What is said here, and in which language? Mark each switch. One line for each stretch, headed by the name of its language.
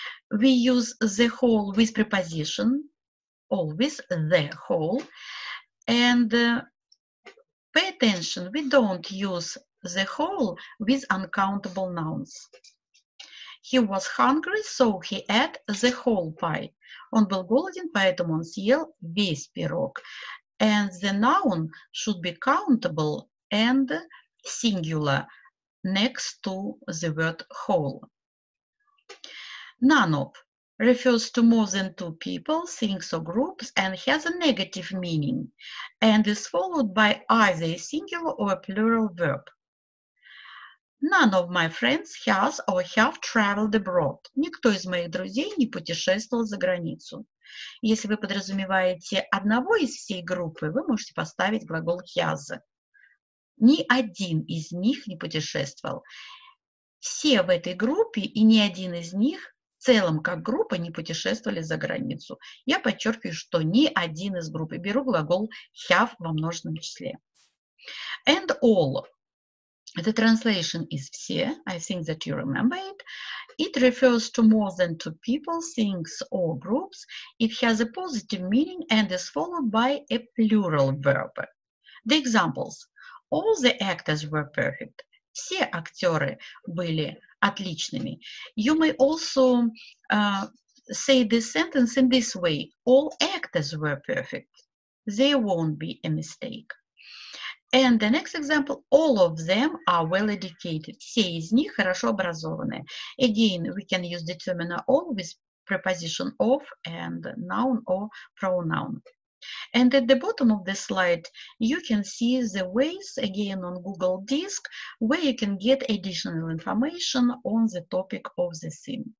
English: We use the whole with preposition, always the whole. And pay attention, we don't use the whole with uncountable nouns. He was hungry, so he ate the whole pie. Он был голоден, поэтому он съел весь пирог. And the noun should be countable and singular next to the word whole. None of refers to more than two people, things or groups, and has a negative meaning, and is followed by either a singular or a plural verb. None of my friends has or have traveled abroad.
Russian: Никто из моих друзей не путешествовал за границу. Если вы подразумеваете одного из всей группы, вы можете поставить глагол has. Ни один из них не путешествовал. Все в этой группе и ни один из них в целом как группа не путешествовали за границу. Я подчеркиваю, что ни один из группы. Беру глагол have во множественном числе.
English: And all. The translation is все. I think that you remember it. It refers to more than two people, things, or groups. It has a positive meaning and is followed by a plural verb. The examples. All the actors were perfect.
Russian: Все актеры были отличными.
English: You may also say this sentence in this way. All actors were perfect. There won't be a mistake. And the next example, all of them are well-educated.
Russian: Все из них хорошо образованы.
English: Again, we can use determiner all with preposition of and noun or pronoun. And at the bottom of the slide, you can see the ways, again on Google Disk, where you can get additional information on the topic of the theme.